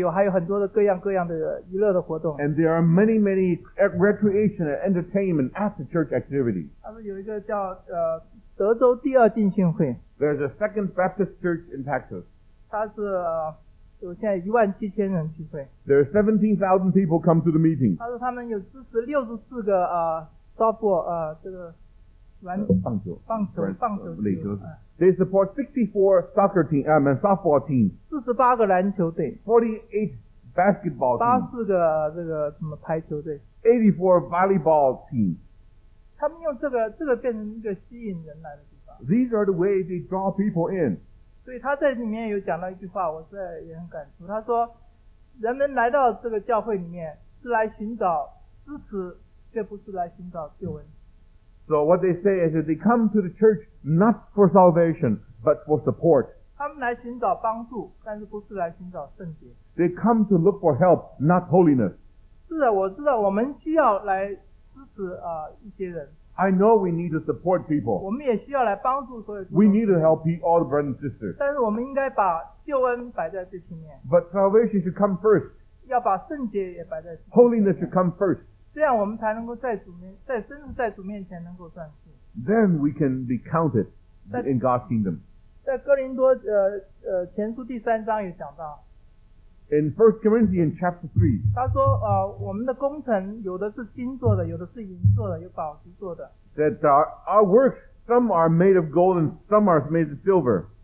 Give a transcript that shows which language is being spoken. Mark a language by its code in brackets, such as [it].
[zh] 另外一种就是完全是一种，他们在聚完会有还有很多的各样各样的娱乐的活动。 [en] And there are many, many recreation and entertainment after church activity. [zh] 他们有一个叫德州第二浸信会。 [en] There's a Second Baptist Church in Texas. [zh] 他是有现在17,000人聚会。 [en] There are 17,000 people come to the meeting. [zh] 他说他们有支持64个softball，这个篮球棒球，棒球棒球队。 [en] They support 64 soccer team, softball teams. [zh] 48个篮球队。 [en] 48 basketball teams. [zh] 84个这个什么排球队。 [en] 84 volleyball teams. [zh] 他们用这个变成一个吸引人来的地方。 [en] These are the ways they draw people in. [zh] 所以他在里面有讲到一句话，我在也很感触。他说，人们来到这个教会里面是来寻找支持，却不是来寻找救恩。 [en] So what they say is that they come to the church not for salvation, but for support. [zh] 他们来寻找帮助，但是不是来寻找圣洁。 [en] They come to look for help, not holiness. [zh] 是的，我知道我们需要来支持一些人。 [en] I know we need to support people. [zh] 我们也需要来帮助所有。 [en] We need to help all the brothers and sisters. [zh] 但是我们应该把救恩摆在最前面。 [en] But salvation should come first. [zh] 要把圣洁也摆在。 [en] Holiness should come first. [zh] 这样我们才能够在主面，在真正在主面前能够算数。 [en] Then we can be counted in God's kingdom. [zh] 在哥林多前书第三章也讲到。 [en] In 1 Corinthians chapter 3, [zh] 他说我们的工程有的是金做的，有的是银做的，有宝石做的。 [en] That our works, some are made of gold and some are made of silver.